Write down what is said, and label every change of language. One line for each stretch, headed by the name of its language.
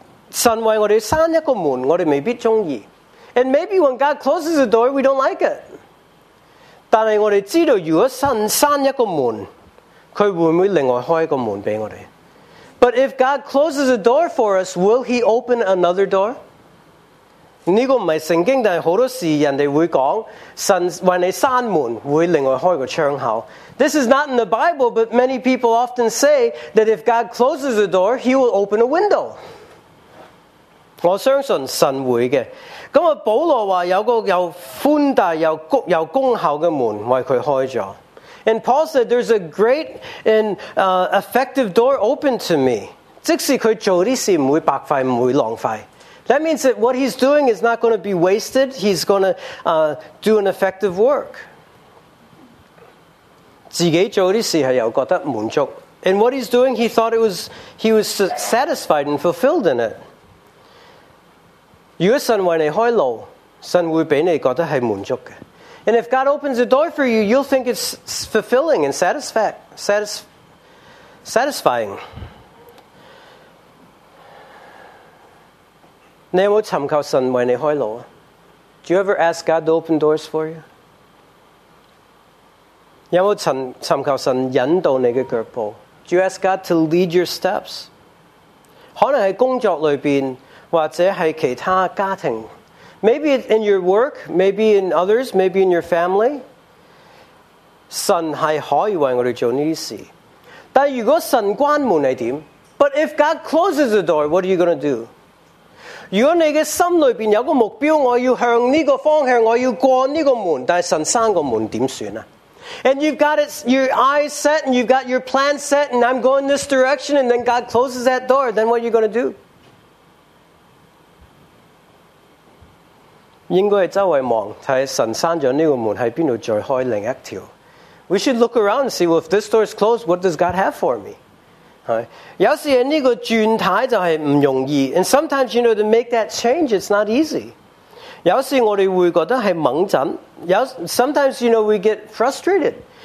Chinese: 神为我们闩一个门，我们未必喜欢。
English: And maybe when God closes the door, we don't like it.
Chinese: 但是我们知道如果神闩一个门，他会不会另外开一个门给我们？
English: But if God closes the door for us, will he open another door?
Chinese: 这个不是圣经，但是很多事人家会说神为你闩门会另外开个窗口。
English: This is not in the Bible, but many people often say that if God closes the door, he will open a window.
Chinese: 我相信神会的。那么保罗说有个又宽大又功效的门为他开了。
English: And Paul said there's a great and effective door open to me.
Chinese: 即使他做的事不会白费，不会浪费。
English: That means that what he's doing is not going to be wasted. He's going to do an effective work.
Chinese: 自己做的事是有觉得满足。
English: And what he's doing, he thought he was satisfied and fulfilled in it.
Chinese: 如果神为你开路，神会给你觉得是满足的。
English: And if God opens the door for you, you'll think it's fulfilling and satisfying. Do you ever ask God to open doors for you?
Chinese: 有没有寻求神引导你的脚步？
English: Do you ask God to lead your steps?
Chinese: 可能在工作里面，或者在其他家庭，
English: Maybe in your work, maybe in others, maybe in your family.
Chinese: 神是可以为我们做这些事。但如果神关门是怎样?
English: But if God closes the door, what are you going to do?
Chinese: 如果你的心里面有个目标, 我要向这个方向, 我要过这个门, 但是神关个门怎么办?
English: And you've got it, your eyes set and you've got your plan set and I'm going this direction and then God closes that door, then what are you going to do?
Chinese: 应该是周围望, 看神关了这个门在哪里再开另一条。
English: We should look around and see, well, if this door is closed, what does God have for me? Right. And sometimes, you know, to make that change, it's not easy. Sometimes, you know, we get frustrated.